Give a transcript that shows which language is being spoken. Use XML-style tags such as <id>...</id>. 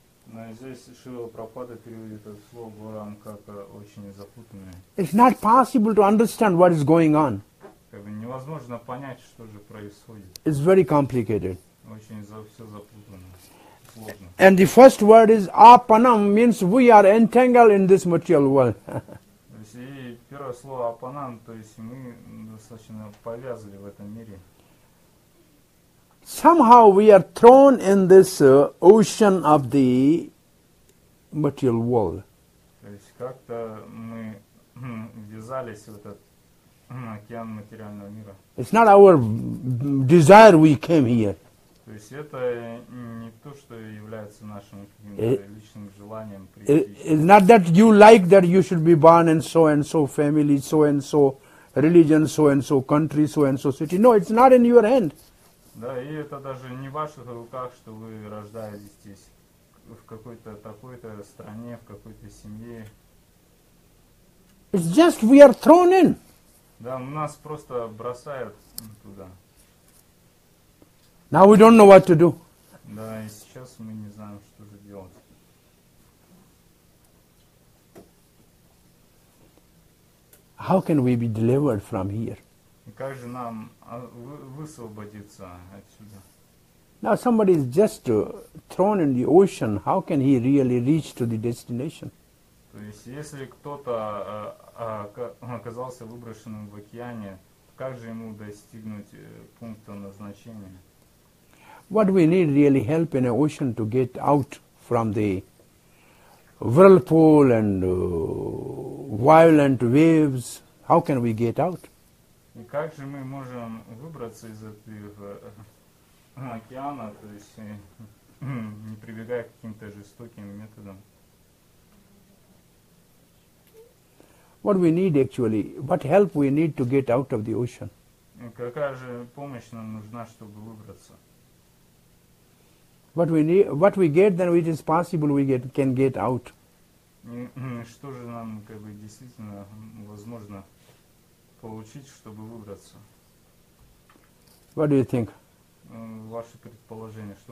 <ru>Но здесь Шрила Прабхупада переводит это слово Ghoram как очень запутанное.</ru> <en>It's not possible to understand what is going on.</en> <ru>Невозможно понять, что же происходит.</ru> <en>It's very complicated.</en> <ru>Очень все запутано.</ru> <en>And the first word is apanam, means we are entangled in this material world.</en> <ru>И первое слово апанам, то есть мы достаточно повязали в этом мире.</ru> <en>Somehow we are thrown in this ocean of the material world.</en> <ru>То есть как-то мы ввязались в этот океан материального мира.</ru> <en>It's not our desire we came here.</en> <ru>То есть это не то, что является нашим личным желанием прийти.</ru> <en>It's not that you like that you should be born in so and so family, so and so religion, so and so country, so and so city. No, it's not in your hand.</en> <ru>Да, и это даже не в ваших руках, что вы рождаетесь здесь, в какой-то такой-то стране, в какой-то семье.</ru> <en>It's just we are thrown in.</en> <ru>Да, нас просто бросают туда.</ru> <en>Now we don't know what to do.</en> <ru>Да, и сейчас мы не знаем, что же делать.</ru> <en>How can we be delivered from here?</en> <ru>И как же нам высвободиться отсюда?</ru> <en>Now somebody is just thrown in the ocean. How can he really reach to the destination?</en> <ru>То есть, если кто-то оказался выброшенным в океане, как же ему достигнуть пункта назначения?</ru> <en>What we need really help in an ocean to get out from the whirlpool and violent waves? How can we get out?</en> <ru>И как же мы можем выбраться из этого океана, то есть не прибегая к каким-то жестоким методам?</ru> <en>What we need actually, what help we need to get out of the ocean?</en> <ru>Какая же помощь нам нужна, чтобы выбраться?</ru> <en>What we need, what we get, then it is possible we get can get out.</en> <ru>Что же нам как бы действительно возможно получить, чтобы выбраться?</ru> <en>What do you think?</en> <ru>Ваше предположение, что?</ru>